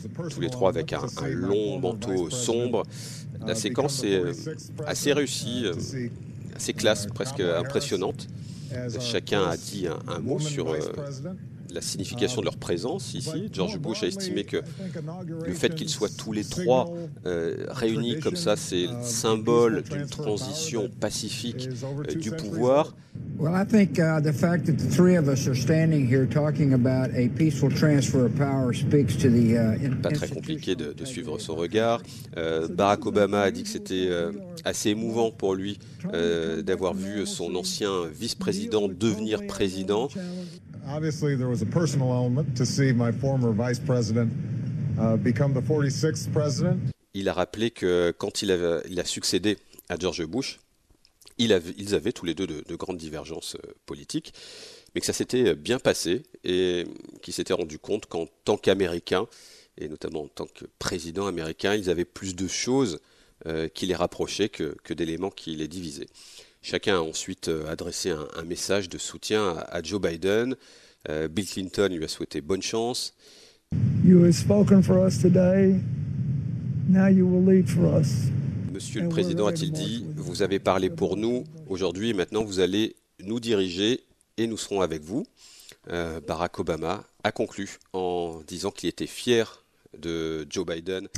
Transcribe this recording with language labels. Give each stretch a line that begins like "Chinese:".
French: Tous les 3 avec un long manteau sombre. La séquence est assez réussie, assez classe, presque impressionnante. Chacun a dit un mot sur la signification de leur présence ici. George Bush a estimé que le fait qu'ils soient tous les 3 réunis comme ça, c'est le symbole d'une transition pacifique du pouvoir.
English: Well, I think the fact that the 3 of us are standing here talking about a peaceful transfer of power speaks to the
French: pas très compliqué de suivre son regard. Barack Obama a dit que c'était assez émouvant pour lui d'avoir vu son ancien vice-président devenir président.
English: Obviously there was a personal element to see my former vice president become the 46th president.
French: Il a rappelé que quand il a succédé à George Bush, ils avaient tous les deux de grandes divergences politiques, mais que ça s'était bien passé et qu'ils s'étaient rendu compte qu'en tant qu'Américains, et notamment en tant que président américain, ils avaient plus de choses qui les rapprochaient que d'éléments qui les divisaient. Chacun a ensuite adressé un message de soutien à Joe Biden. Bill Clinton lui a souhaité bonne chance.
English: You have spoken for us today. Now you will lead for us.
French: Monsieur le Président, a-t-il dit, vous avez parlé pour nous aujourd'hui et maintenant vous allez nous diriger et nous serons avec vous. Barack Obama a conclu en disant qu'il était fier de Joe Biden.